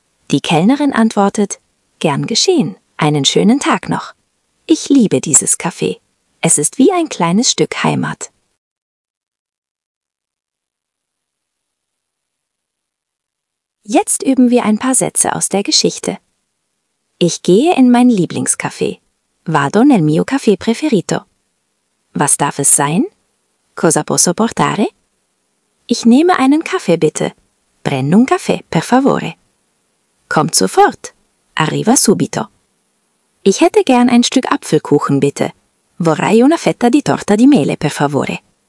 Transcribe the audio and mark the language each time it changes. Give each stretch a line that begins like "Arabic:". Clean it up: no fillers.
German: Die Kellnerin antwortet, gern geschehen, einen schönen Tag noch. Ich liebe dieses Café. Es ist wie ein kleines Stück Heimat. Jetzt üben wir ein paar Sätze aus der Geschichte. Ich gehe in mein Lieblingscafé.
Italian: Vado nel mio café preferito.
German: Was darf es sein?
Italian: Cosa posso portare?
German: Ich nehme einen Kaffee, bitte.
Italian: Prendo un caffè, per favore.
German: Kommt sofort.
Italian: Arriva subito.
German: Ich hätte gern ein Stück Apfelkuchen, bitte.
Italian: Vorrei una fetta di torta di mele, per favore.